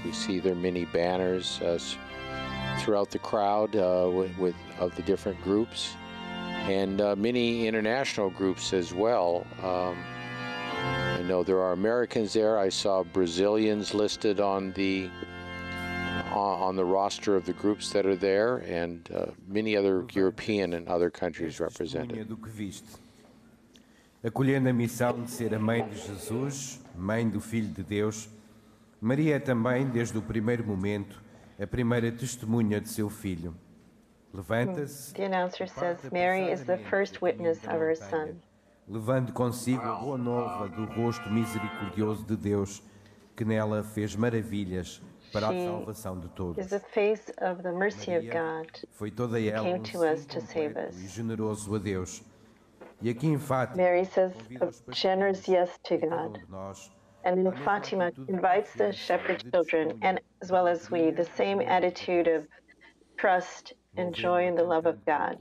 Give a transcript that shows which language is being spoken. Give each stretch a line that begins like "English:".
English: We see their many banners throughout the crowd of the different groups, and many international groups as well. I know there are Americans there. I saw Brazilians listed on the roster of the groups that are there, and many other European and other countries represented.
Portuguese: Acolhendo a missão de ser a mãe de Jesus, mãe do Filho de Deus, Maria é também, desde o primeiro momento, a primeira testemunha de seu filho. Levanta-se.
English: The announcer says Mary is the first witness of her son.
Portuguese: Levando consigo a boa nova do rosto misericordioso de Deus, que nela fez maravilhas para a salvação de todos.
English: Is the face of the mercy of God.
Portuguese: Foi toda ela
English: came to us to save us.
Portuguese: E generoso a Deus. E aqui em Fátima,
English: Mary says a generous yes to God. And in Fátima, invites the shepherd children, and as well as we, the same attitude of trust and joy in the love of God.